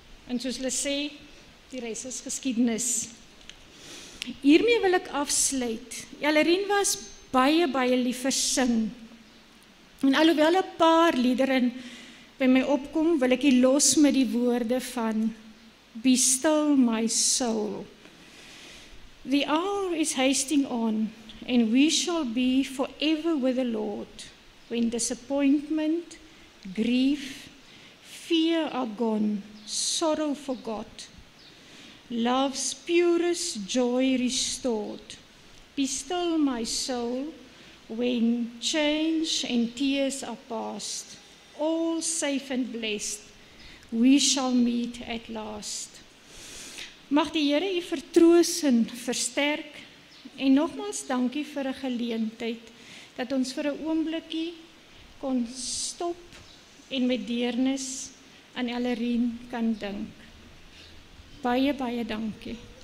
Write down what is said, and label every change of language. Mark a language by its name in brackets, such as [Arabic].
[Afrikaans] En soos hulle sê, die res is geskiedenis. Hiermee wil ek afsluit. Ellerien was baie, baie lief vir sing. En alhoewel 'n paar liedere by my opkom, wil ek hier los met die woorde van Be still my soul. [English] The hour is hasting on, and we shall be forever with the Lord, when disappointment, grief, fear are gone, sorrow forgot, love's purest joy restored. Be still my soul, when change and tears are past, all safe and blessed, we shall meet at last. [Afrikaans] Mag die Here u vertroos en versterk, en nogmaals dankie vir 'n geleentheid dat ons vir 'n oombliekie kon stop en met deernis aan Ellerien kan dink. Baie, baie dankie.